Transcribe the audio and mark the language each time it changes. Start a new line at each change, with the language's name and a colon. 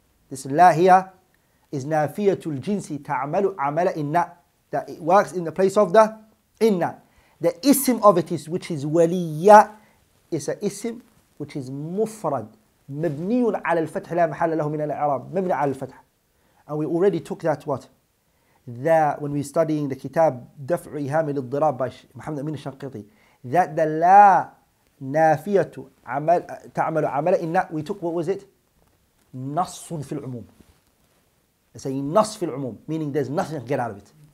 English: This
Arabic: لا
English: here is
Arabic: نافية الجنس تعمل عمل إن.
English: That it works in the place of the إن. The ism of it is which is ولي. It's an ism which is مفرد.
Arabic: مبني على الفتح لا محل له من الإعراب. مبني على الفتح.
English: And we already took that what? That when we're studying the kitab Daf'u Ihami Lil-Dirab by Muhammad Amin al-Shanqiti, that the
Arabic: la nafiyatu ta'amalu amala inna,
English: we took what was it?
Arabic: Nassun fil umum.
English: It's a nass fil umum, meaning there's nothing to get out of it.